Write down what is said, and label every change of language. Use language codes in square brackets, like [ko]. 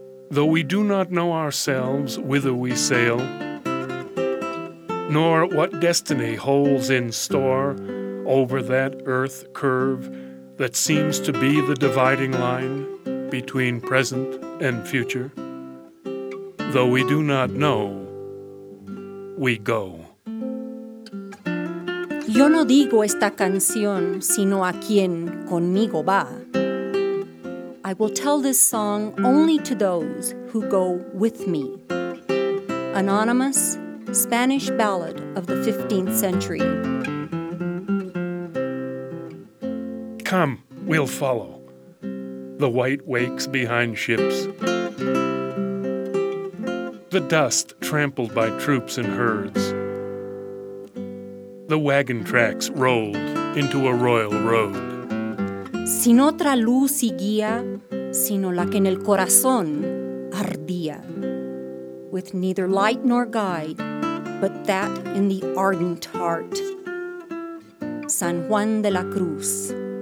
[en] Though we do not know ourselves whither we sail, nor what destiny holds in store over that earth curve that seems to be the dividing line between present and future, though we do not know, we go. [es] Yo no digo esta canción, sino a quien conmigo va. [en] I will tell this song only to those who go with me. Anonymous, Spanish ballad of the 15th century. Come, we'll follow. The white wakes behind ships. The dust trampled by troops and herds. The wagon tracks rolled into a royal road. [es] Sin otra luz y guía, sino la que en el corazón ardía. [en] With neither light nor guide, but that in the ardent heart. San Juan de la Cruz.